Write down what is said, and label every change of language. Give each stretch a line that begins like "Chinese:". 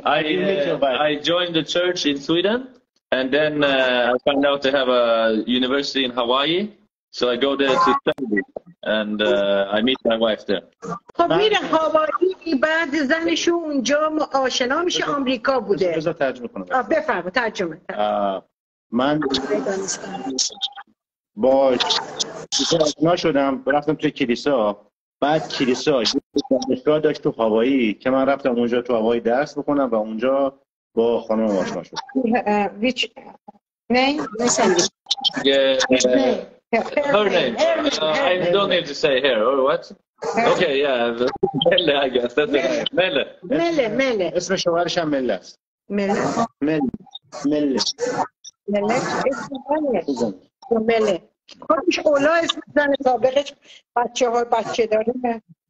English: I joined the church in Sweden and then I found out they have a university in Hawaii So I go there to study. and I meet my wife there.
Persian: خب میره هاوایی بعد زنش اونجا آشنا میشه آمریکا بوده. بذار ترجمه کنم. بفرما ترجمه. من با آشنا شدم رفتم توی کلیسا بعد کلیسا دانشگاه داشت تو هاوایی که من رفتم اونجا تو هاوایی درس بخونم و اونجا با خانم آشنا شدم.
English: Which name? Her name. I don't need to say her or what? Okay, yeah. Melle, I guess. That's it. Melle. Melle, Melle.
Persian: اسم شوهرش هم Melle است. Melle. Melle. Melle. Melle. اسم Melle. خودش اولا اسم زن سابقش بچه های بچه داره.